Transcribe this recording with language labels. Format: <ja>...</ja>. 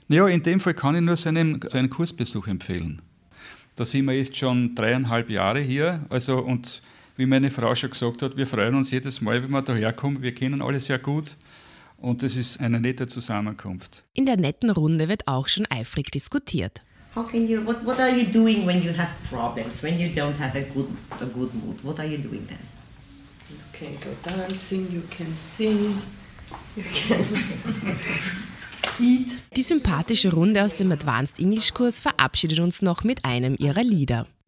<de>Ja, in dem Fall kann ich nur seinen Kursbesuch empfehlen. Da sind wir jetzt schon 3,5 Jahre hier. Also, und wie meine Frau schon gesagt hat, wir freuen uns jedes Mal, wenn wir da herkommen. Wir kennen alle sehr gut und es ist eine nette Zusammenkunft. In der netten Runde wird auch schon eifrig diskutiert.</de> <en>How can you, what are you doing when you have problems, when you don't have a good mood? What are you doing then? You can go dancing, you can sing, eat.</en> <de>Die sympathische Runde aus dem Advanced English Kurs verabschiedet uns noch mit einem ihrer Lieder.</de>